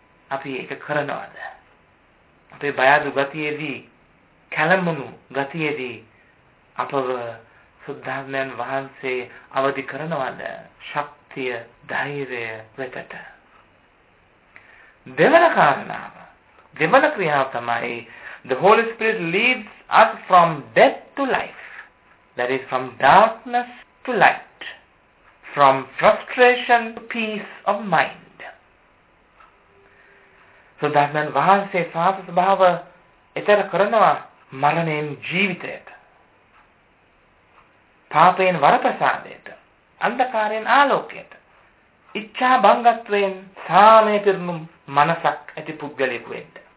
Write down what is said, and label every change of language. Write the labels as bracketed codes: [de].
[si] අපි ඒක කරනවාද? අපේ බය අඩු ගතියේදී, කැළඹුණු ගතියේදී අපව සුද්ධාත්මයන් වහන්සේ අවදි කරනවාද? ශක්තිය, ධෛර්යය වෙතට. දෙවන කාරණාව, දෙවන ක්‍රියාව තමයි [en] the Holy Spirit leads us from death to life, that is from darkness to light, from frustration to peace of mind. [si] සුද්ධාත්මයන් වහන්සේ සාත ස්වභාව එතර කරනවා මරණයෙන් ජීවිතයට, පාපයෙන් වරප්‍රසාදයට, අන්ධකාරයෙන් ආලෝකයට, ඉච්ඡා භංගත්වයෙන් සාමය පිරුණු මනසක් ඇති පුද්ගලයෙකු වෙන්න.